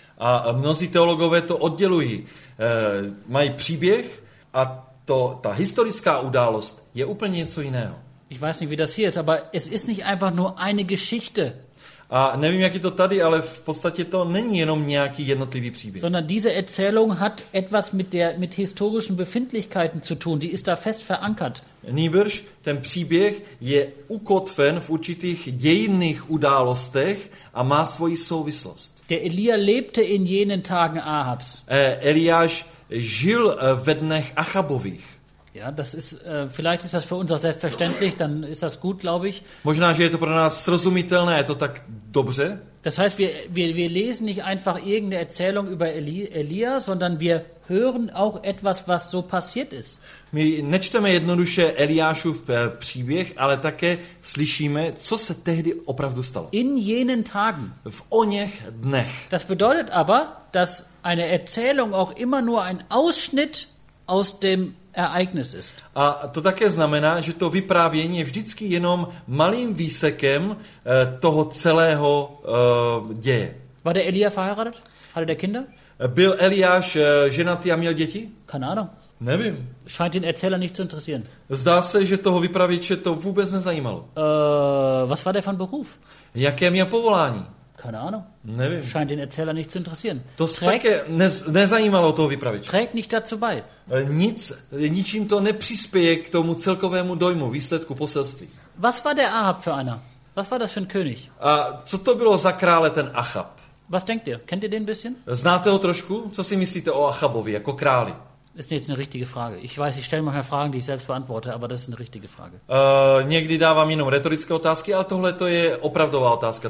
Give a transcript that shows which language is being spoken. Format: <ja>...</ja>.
<cs>A mnozí teologové to oddělují. Mají příběh a to, ta historická událost je úplně něco jiného.</cs> <de>Ich weiß nicht, wie das hier ist, aber es ist nicht einfach nur eine Geschichte.</de> <cs>A nevím, jak je to tady, ale v podstatě to není jenom nějaký jednotlivý příběh.</cs> <de>Sondern diese Erzählung hat etwas mit historischen Befindlichkeiten zu tun, die ist da fest verankert.</de> <cs>Nýbrž, ten příběh je ukotven v určitých dějinných událostech a má svoji souvislost.</cs> <de>Der Elia lebte in jenen Tagen Ahabs.</de> <cs>Eliáš žil ve dnech Achabových.</cs> <de>Ja, das ist vielleicht ist das für uns auch selbstverständlich, dann ist das gut, glaube ich.</de> <cs>Možná že je to pro nás srozumitelné, je to tak dobře.</cs> <de>Das heißt, wir lesen nicht einfach irgendeine Erzählung über Elia, sondern wir hören auch etwas, was so passiert ist.</de> <cs>My nečteme jednoduše Eliášův příběh, ale také slyšíme, co se tehdy opravdu stalo.</cs> <de>In jenen Tagen.</de> <cs>V oněch dnech.</cs> <de>Das bedeutet aber, dass eine Erzählung auch immer nur ein Ausschnitt aus dem Ereignis ist.</de> <cs>A to také znamená, že to vyprávění je vždycky jenom malým výsekem toho celého děje.</cs> <de>War der Elia verheiratet? Hatte der Kinder?</de> <cs>Byl Eliáš ženatý a měl děti?</cs> <de>Keine Ahnung.</de> <cs>Nevím.</cs> <de>Scheint den Erzähler nicht zu interessieren.</de> <cs>Zdá se, že toho vypravěče to vůbec nezajímalo.</cs> <de>Was war der von Beruf?</de> <cs>Jaké měl povolání?</cs> <de>Keine Ahnung.</de> <cs>Nevím.</cs> <de>Scheint den Erzähler nicht zu interessieren.</de> <cs>To také nezajímalo toho vypravěče.</cs> <de>Trägt nicht dazu bei.</de> <cs>Ničím to nepřispěje k tomu celkovému dojmu, výsledku poselství.</cs> <de>Was war der Ahab für einer? Was war das für ein König?</de> <cs>A co to bylo za krále ten Achab?</cs> <de>Was denkt ihr? Kennt ihr den ein bisschen?</de> <cs>Znáte ho trošku? Co si myslíte o Achabovi jako králi?</cs> <de>Das ist jetzt eine richtige Frage. Ich weiß, ich stelle manchmal Fragen, die ich selbst beantworte, aber das ist eine richtige Frage.</de> <cs>Někdy dávám jenom retorické otázky, ale tohle to je opravdová otázka.</cs>